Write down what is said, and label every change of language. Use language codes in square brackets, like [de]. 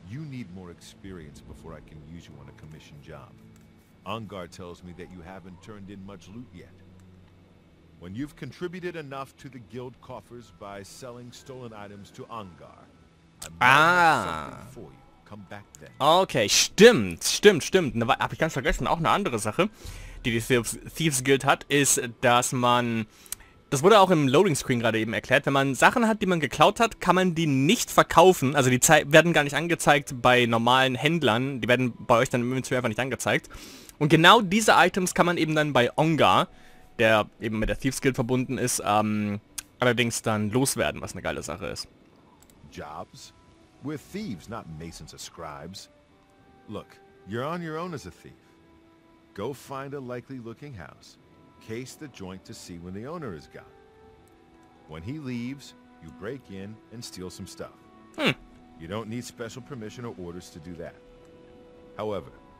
[en] You need more experience before I can use you on a commission job. Angar tells me that you haven't turned in much loot yet. When you've contributed enough to the guild coffers by selling stolen items to Angar, I'm going to for you. Come back then. [de] Okay, stimmt, stimmt, stimmt. Hab ich ganz vergessen, auch eine andere Sache, die Thieves Guild hat, ist, dass man, das wurde auch im Loading Screen gerade eben erklärt, wenn man Sachen hat, die man geklaut hat, kann man die nicht verkaufen, also die werden gar nicht angezeigt bei normalen Händlern, die werden bei euch dann im Inventar einfach nicht angezeigt. Und genau diese Items kann man eben dann bei Angar, der eben mit der Thieves Guild verbunden ist, allerdings dann loswerden, was eine geile Sache ist. [en] Jobs? We're thieves, not masons or scribes. Look, you're on your own as a thief. Go find a likely looking house. Case the joint to see when the owner is gone. When he leaves, you break in and steal some stuff. Hm. You don't need special permission or orders to do that. However,